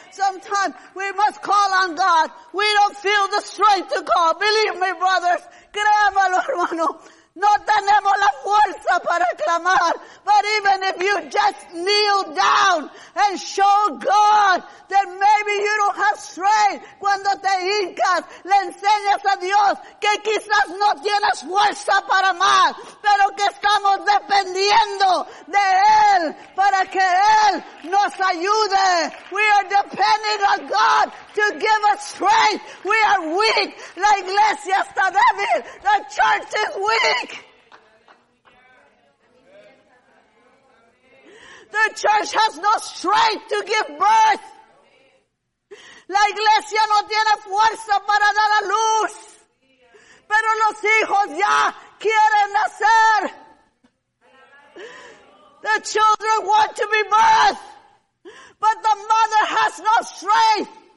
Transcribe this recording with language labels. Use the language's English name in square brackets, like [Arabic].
[English] Sometimes we must call on God. We don't feel the strength to call. Believe me, brothers. [Spanish] Créamelo, hermano. No tenemos la fuerza para clamar. [English] But even if you just kneel down and show God, then maybe you don't have strength. [Spanish] Cuando te hincas, le enseñas a Dios que quizás no tienes fuerza para más, pero que estamos dependiendo de Él para que Él nos ayude. [English] We are depending on God to give us strength. We are weak. [Spanish] La iglesia está débil. [English] The church is weak. The church has no strength to give birth. [Spanish] La iglesia no tiene fuerza para dar a luz. Pero los hijos ya quieren nacer. [English] The children want to be birthed. But the mother has no strength.